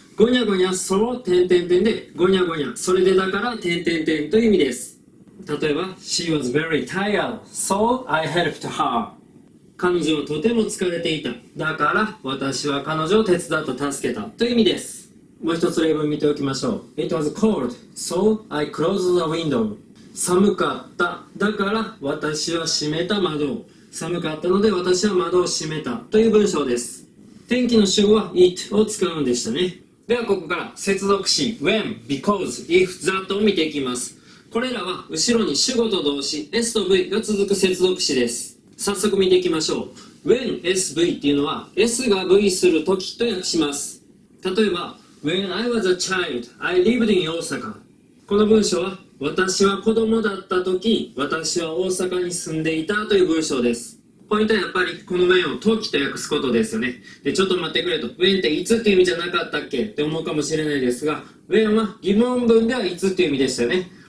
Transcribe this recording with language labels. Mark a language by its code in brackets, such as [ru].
[ja] ゴニャゴニャそう点点点で、ゴニャゴニャそれでだから点点点という意味です。例えば [en] She was very tired, so I helped her。 [ja] 彼女はとても疲れていた、だから私は彼女を手伝った、助けたという意味です。もう一つ例文見ておきましょう。 [en] It was cold, so I closed the window。 [ja] 寒かった、だから私は閉めた窓を、寒かったので私は窓を閉めたという文章です。天気の主語は It を使うんでしたね。ではここから接続詞 when、because、if、that を見ていきます。これらは後ろに主語と動詞 s と v が続く接続詞です。早速見ていきましょう。 when、sv っていうのは s が v する時と訳します。例えば [en] when I was a child, I lived in 大阪。 [ja] この文章は私は子供だった時、私は大阪に住んでいたという文章です。ポイントはやっぱりこの面を時と訳すことですよね。で、ちょっと待ってくれと。 when っていつっていう意味じゃなかったっけって思うかもしれないですが、when は疑問文ではいつっていう意味でしたよね。